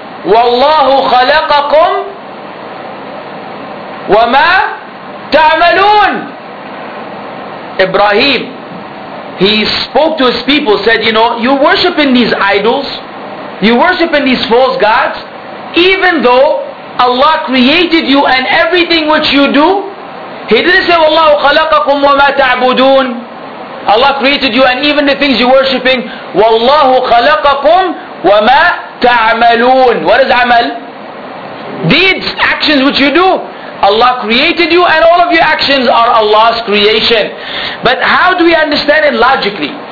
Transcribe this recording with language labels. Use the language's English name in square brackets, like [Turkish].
[Arabic] وَاللَّهُ خَلَقَكُمْ وَمَا تَعْمَلُونَ. [English] Ibrahim, he spoke to his people, said, you know, you worship in these idols, you worship in these false gods, even though Allah created you and everything which you do. He didn't say, [Arabic] وَاللَّهُ خَلَقَكُمْ وَمَا تَعْبُدُونَ. [English] Allah created you and even the things you're worshipping. [Arabic] وَاللَّهُ خَلَقَكُمْ وَمَا تَعْمَلُونَ. [English] What is amal? Deeds, actions which you do. Allah created you and all of your actions are Allah's creation. But how do we understand it logically?